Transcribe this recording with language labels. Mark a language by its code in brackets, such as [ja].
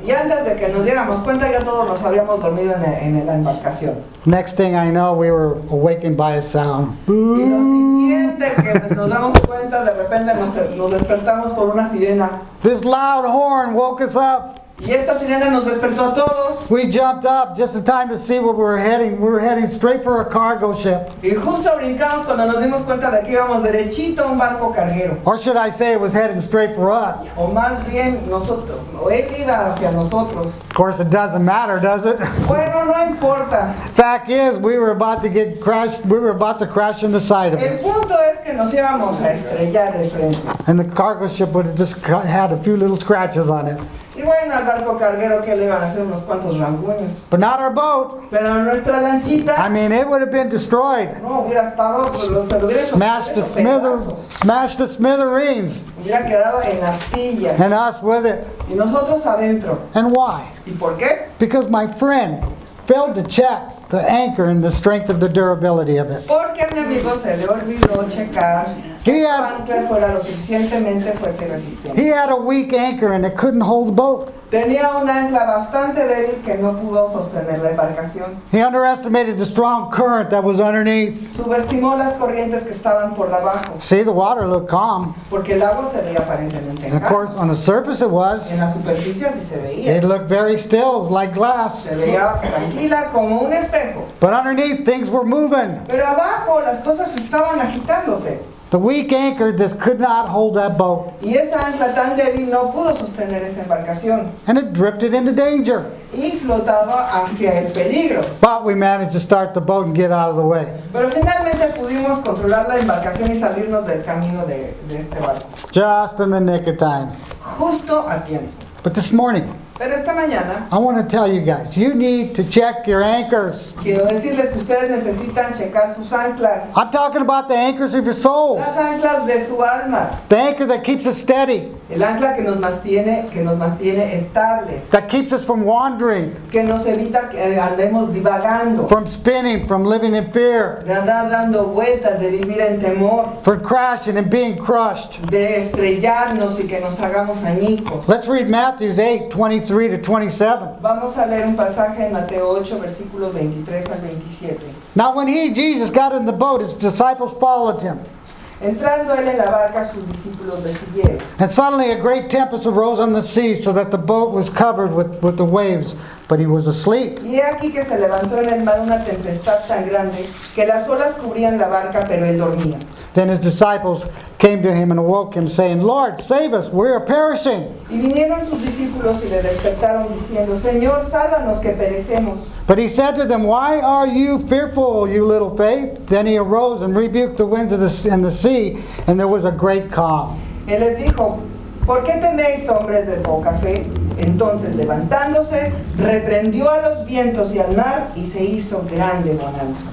[es] Y antes de que nos diéramos cuenta, ya todos nos habíamos dormido en la embarcación. [en] Next thing I know, we were awakened by a sound. Boo! [es] Y lo siguiente que nos damos cuenta, de repente nos despertamos por una sirena. [en] This loud horn woke us up. [es] Y esta sirena nos despertó a todos. [en] We jumped up just in time to see where we were heading. We were heading straight for a cargo ship. [es] Y justo brincamos cuando nos dimos cuenta de que íbamos derechito a un barco carguero. [en] Or should I say it was heading straight for us. [es] O más bien, él iba hacia nosotros. [en] Of course it doesn't matter, does it? [es] Bueno, no importa. [en] Fact is, we were about to crash in the side of it. [es] El punto es que nos íbamos a estrellar de frente. [en] And the cargo ship would have just had a few little scratches on it. [es] Y bueno, al barco carguero que le iban a hacer unos cuantos rasguños. [en] But not our boat. [es] Pero nuestra lanchita. [en] I mean, it would have been destroyed. [es] No, hubiera estado [en] smashed to smithereens. [es] Hubiera quedado en astillas. [en] And us with it. [es] Y nosotros adentro. [en] And why? [es] ¿Y por qué? [en] Because my friend failed to check the anchor and the strength of the durability of it. [es] Porque mi amigo se le olvidó checar. [en] He had a weak anchor and it couldn't hold the boat. [es] Tenía un ancla bastante débil que no pudo sostener la embarcación. [en] He underestimated the strong current that was underneath. [es] Subestimó las corrientes que estaban por debajo. [en] See, the water looked calm. [es] Porque el agua se veía aparentemente. [en] And of course, on the surface it was. [es] En la superficie sí se veía. [en] It looked very still, like glass. [es] Se veía tranquila como un espejo. [en] But underneath things were moving. [es] Pero abajo las cosas estaban agitándose. [en] The weak anchor just could not hold that boat. [es] Y esa ancla tan débil no pudo sostener esa embarcación. [en] And it drifted into danger. [es] Y flotaba hacia el peligro. [en] But we managed to start the boat and get out of the way. [es] Pero finalmente pudimos controlar la embarcación y salirnos del camino de este barco. [en] Just in the nick of time. [es] Justo a tiempo. [en] But this morning. [es] Pero esta mañana, [en] I want to tell you guys, you need to check your anchors. [es] Quiero decirles que ustedes necesitan checar sus anclas. [en] I'm talking about the anchors of your souls. [es] Las anclas de su alma. [en] The anchor that keeps us steady. [es] El ancla que nos mantiene estables. [en] That keeps us from wandering. [es] Que nos evita que andemos divagando. [en] From spinning, from living in fear. [es] De andar dando vueltas, de vivir en temor. [en] From crashing and being crushed. [es] De estrellarnos y que nos hagamos añicos. [en] Let's read Matthew 8:23-27. [es] Vamos a leer un pasaje en Mateo 8, versículos 23 al 27. [en] Now when Jesus got in the boat, his disciples followed him. [es] Entrando él en la barca, sus discípulos le siguieron. [en] And suddenly a great tempest arose on the sea, so that the boat was covered with the waves, but he was asleep. [es] Y aquí que se levantó en el mar una tempestad tan grande que las olas cubrían la barca, pero él dormía. [en] Then his disciples came to him and awoke him, saying, "Lord, save us, we are perishing." [es] Y vinieron sus discípulos y le despertaron diciendo, "Señor, sálvanos que perecemos." [en] But he said to them, "Why are you fearful, you little faith?" Then he arose and rebuked the winds and the sea, and there was a great calm. [es] Él les dijo, "¿Por qué teméis, hombres de poca fe?" Entonces, levantándose, reprendió a los vientos y al mar, y se hizo grande bonanza.